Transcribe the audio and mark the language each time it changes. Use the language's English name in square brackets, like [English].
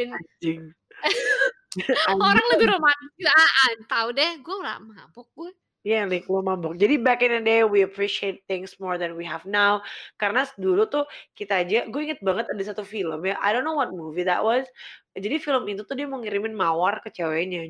[Indonesian] Dan orang lebih romantis. Tahu deh, gue gak mabok gue. Iya, yeah, like, lo mabok. [English] Jadi back in the day, we appreciate things more than we have now. [Indonesian] Karena dulu tuh kita aja, gue inget banget ada satu film ya. [English] I don't know what movie that was. [Indonesian] Jadi film itu tuh dia mau ngirimin mawar ke ceweknya.